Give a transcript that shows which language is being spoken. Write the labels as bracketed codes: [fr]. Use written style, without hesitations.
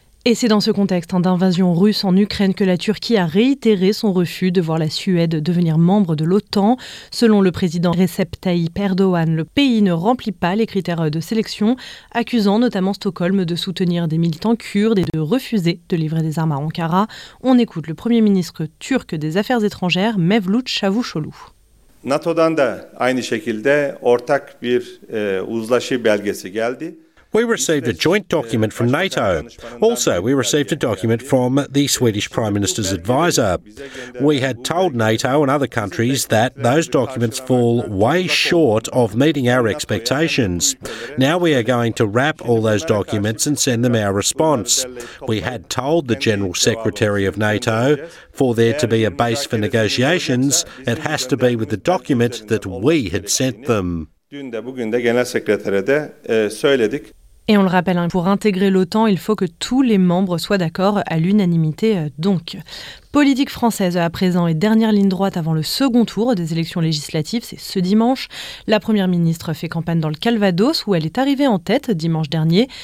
[fr] Et c'est dans ce contexte d'invasion russe en Ukraine que la Turquie a réitéré son refus de voir la Suède devenir membre de l'OTAN. Selon le président Recep Tayyip Erdogan, le pays ne remplit pas les critères de sélection, accusant notamment Stockholm de soutenir des militants kurdes et de refuser de livrer des armes à Ankara. On écoute le premier ministre turc des Affaires étrangères, Mevlut Çavuşoğlu. [tr] NATO'dan da aynı şekilde ortak bir uzlaşı belgesi geldi. [en] We received a joint document from NATO. Also, we received a document from the Swedish Prime Minister's advisor. We had told NATO and other countries that those documents fall way short of meeting our expectations. Now we are going to wrap all those documents and send them our response. We had told the General Secretary of NATO for there to be a base for negotiations, it has to be with the document that we had sent them. [tr] Dün de bugün de genel sekretere de söyledik. [fr] Et on le rappelle, pour intégrer l'OTAN, il faut que tous les membres soient d'accord à l'unanimité donc. Politique française à présent et dernière ligne droite avant le second tour des élections législatives, c'est ce dimanche. La première ministre fait campagne dans le Calvados où elle est arrivée en tête dimanche dernier.